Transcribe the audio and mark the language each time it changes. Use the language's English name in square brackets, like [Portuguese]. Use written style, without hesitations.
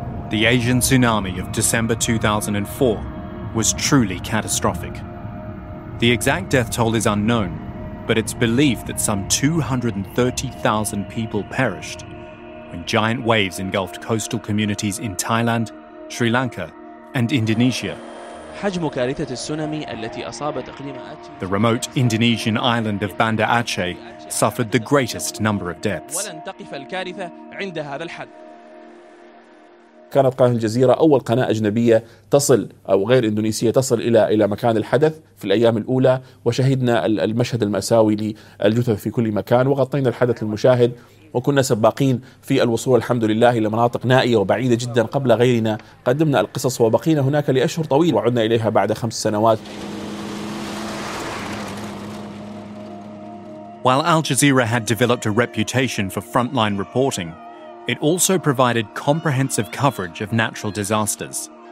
[English] The Asian tsunami of December 2004 was truly catastrophic. The exact death toll is unknown, but it's believed that some 230,000 people perished when giant waves engulfed coastal communities in Thailand, Sri Lanka, and Indonesia. [Arabic] حجم كارثة السونامي التي أصابت إقليم آسيا. [English] The remote Indonesian island of Banda Aceh suffered the greatest number of deaths. [Arabic] ولن تقف الكارثة عند هذا الحد. كانت قناة الجزيرة أول قناة أجنبية تصل أو غير إندونيسية تصل إلى مكان الحدث في الأيام الأولى، وشهدنا المشهد المأساوي للجثث في كل مكان، وغطينا الحدث للمشاهد، وكنا سباقين في الوصول الحمد لله إلى مناطق نائية وبعيدة جدا قبل غيرنا، قدمنا القصص وبقينا هناك لأشهر طويلة وعدنا إليها بعد 5 سنوات. [English] While Al Jazeera had developed a reputation for frontline reporting, it also provided comprehensive coverage of natural disasters.